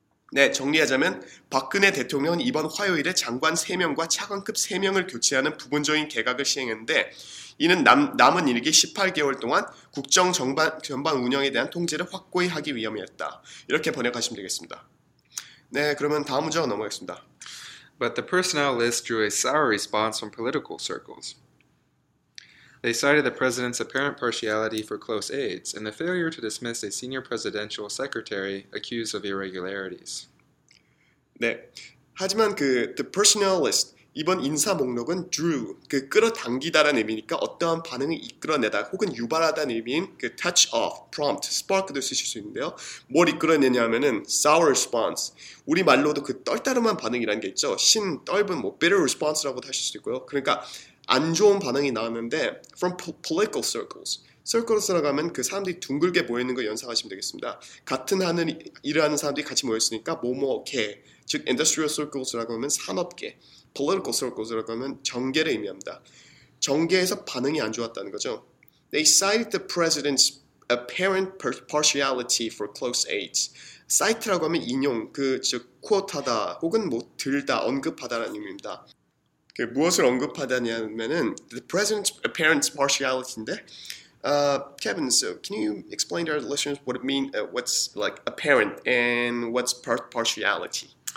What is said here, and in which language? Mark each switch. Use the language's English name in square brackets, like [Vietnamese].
[Korean] 네, 정리하자면 박근혜 대통령은 이번 화요일에 장관 3명과 차관급 3명을 교체하는 부분적인 개각을 시행했는데 이는 남은 일기 18개월 동안 국정 전반 운영에 대한 통제를 확고히 하기 위함이었다. 이렇게 번역하시면 되겠습니다. 네, 그러면 다음 문제로 넘어가겠습니다. [English] but the personnel list drew a sour response from political circles. They cited the president's apparent partiality for close aides and the failure to dismiss a senior presidential secretary accused of irregularities. [Korean] 네. 하지만 그 [English] the personnel list [Korean] 이번 인사 목록은 drew 그 끌어당기다라는 의미니까 어떠한 반응을 이끌어내다 혹은 유발하다는 의미인 그 touch off, prompt, spark도 쓰실 수 있는데요. 뭘 이끌어내냐면은 [English] sour response. [Korean] 우리 말로도 그 떨다름한 반응이라는 게 있죠. 신 떫은 뭐 [English] bitter response [Korean] 라고도 하실 수 있고요. 그러니까 안 좋은 반응이 나왔는데 [English] from political circles. [Korean] Circles로 가면 그 사람들이 둥글게 모여 있는 거 연상하시면 되겠습니다. 같은 하는 일을 하는 사람들이 같이 모여 있으니까 뭐뭐게 즉 [English] industrial circles [Korean] 라고 하면 산업계. [English] Political circles [Korean] 라고 하면 정계를 의미합니다. 정계에서 반응이 안 좋았다는 거죠. [English] They cited the president's apparent partiality for close aides. [Korean] Cite라고 하면 인용, 그 즉 quote하다 혹은 뭐 들다, 언급하다라는 의미입니다. 그 무엇을 언급하다냐면은 [English] the president's apparent partiality인데 Kevin, so can you explain to our listeners what it means, what's like apparent and what's partiality?